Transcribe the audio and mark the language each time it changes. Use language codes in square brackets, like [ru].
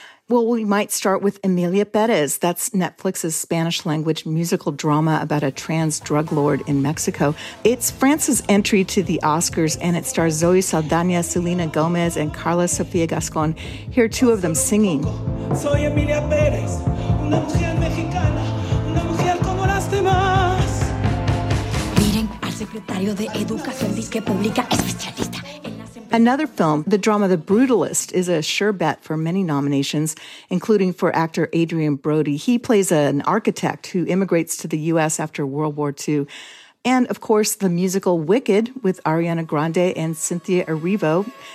[en] Well, we might start with Emilia Perez. That's Netflix's Spanish language musical drama about a trans drug lord in Mexico. It's France's entry to the Oscars, and it stars Zoe Saldana, Selena Gomez, and Carla Sofia Gascon. Hear two of them singing. [es] Soy Emilia Perez, una mujer mexicana, una mujer como las demás. Miren al secretario de Educación, dizque pública especialista. [en] Another film, the drama The Brutalist, is a sure bet for many nominations, including for actor Adrien Brody. He plays an architect who immigrates to the U.S. after World War II. And, of course, the musical Wicked with Ariana Grande and Cynthia Erivo.